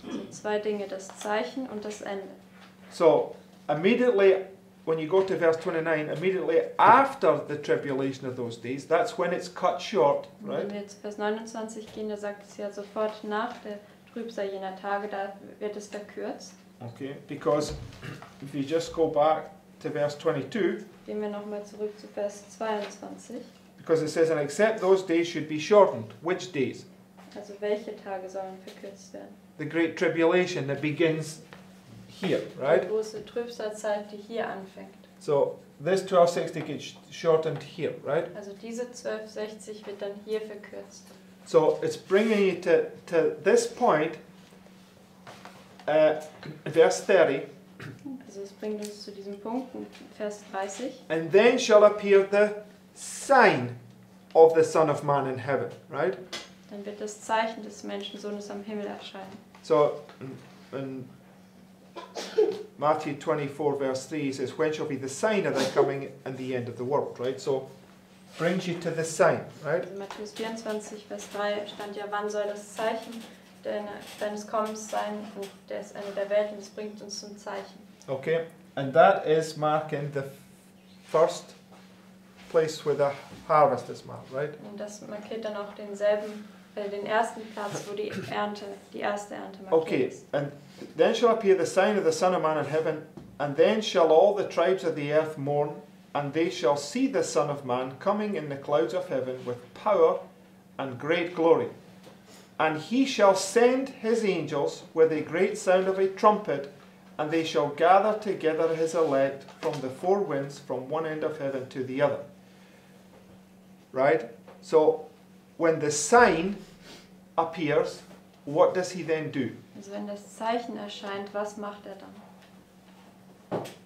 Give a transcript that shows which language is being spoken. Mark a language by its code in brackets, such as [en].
[de] Sind zwei Dinge, das Zeichen und das Ende. [en] So, immediately, when you go to verse 29, immediately after the tribulation of those days, that's when it's cut short, right? [de] Wenn wir jetzt Vers 29 gehen, da sagt es ja sofort nach der Trübsal jener Tage, da wird es verkürzt. [en] Okay, because if you just go back to verse 22, [de] gehen wir nochmal zurück zu Vers 22. [en] Because it says, and except those days should be shortened. Which days? [de] Also welche Tage sollen verkürzt werden? [en] The great tribulation that begins here, right? [de] Die große Trübsalzeit, die hier anfängt. [en] So, this 1260 gets shortened here, right? [de] Also diese 1260 wird dann hier verkürzt. [en] So, it's bringing you to this point, verse 30. [de] Also es bringt uns zu diesem Punkt, Vers 30. [en] And then shall appear the sign of the Son of Man in heaven, right? [de] Dann wird das Zeichen des Menschensohnes am Himmel erscheinen. [en] So, in Matthew 24, verse 3, says, when shall be the sign of thy coming and the end of the world, right? So, brings you to the sign, right? [de] In Matthäus 24, Vers 3 stand ja, wann soll das Zeichen deines Kommens sein und des Ende der Welt, und es bringt uns zum Zeichen. [en] Okay, and that is marking the first place where the harvest is marked, right? [de] Und das markiert dann auch denselben, den ersten Platz, wo die Ernte, die erste Ernte markiert. [en] Okay, and then shall appear the sign of the Son of Man in heaven, and then shall all the tribes of the earth mourn, and they shall see the Son of Man coming in the clouds of heaven with power and great glory. And he shall send his angels with a great sound of a trumpet, and they shall gather together his elect from the four winds, from one end of heaven to the other. Right? So, when the sign appears, what does he then do? [de] Also wenn das Zeichen erscheint, was macht er dann?